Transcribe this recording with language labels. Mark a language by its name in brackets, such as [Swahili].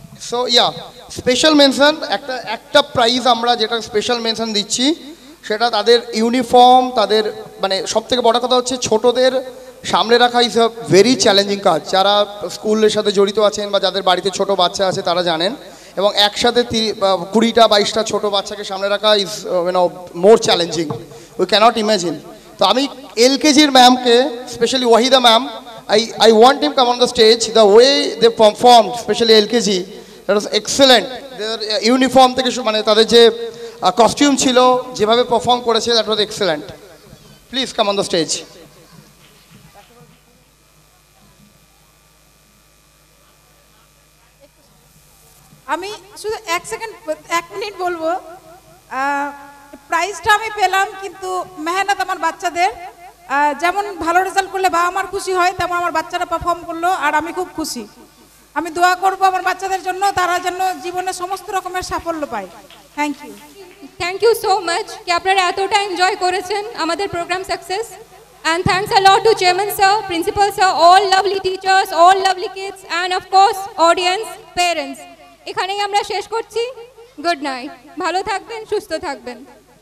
[English] so yeah special mention, [Bangla] একটা একটা prize আমরা যেটা স্পেশাল মেনশন দিচ্ছি সেটা তাদের ইউনিফর্ম, তাদের মানে সব থেকে বড় কথা হচ্ছে ছোটদের সামনে রাখা [English] is a very challenging [Bangla] কাজ, যারা স্কুলের সাথে জড়িত আছেন বা যাদের বাড়িতে ছোটো বাচ্চা আছে তারা জানেন, এবং একসাথে কুড়িটা বাইশটা ছোটো বাচ্চাকে সামনে রাখা [English] Is you know more challenging, we cannot imagine. [Bangla] তো আমি এলকেজির ম্যামকে specially Waheeda ma'am, [English] I want him to come on the stage, the way they performed, especially LKG, that was excellent. Their uniform, their costume, the way they performed, that was excellent. Please come on the stage. I mean, so one second, one minute, I'll [Bangla] প্রাইজটা আমি পেলাম কিন্তু মেহনত আমার বাচ্চাদের যেমন ভালো result করলে বাবা আমার খুশি হয় তেমন আমার বাচ্চারা পারফর্ম করলো আর আমি খুব খুশি আমি দোয়া করব আমার বাচ্চাদের জন্য তারা যেন জীবনে সমস্ত রকমের সাফল্য পায় [English] thank you thank you so much [Bangla] কি আপনারা এতটা এনজয় করেছেন আমাদের [English] programme success and thanks a lot to chairman sir principal sir all lovely teachers all lovely kids and of course audience parents [Bangla] এখানেই আমরা শেষ করছি [English] good night [Bangla] ভালো থাকবেন সুস্থ থাকবেন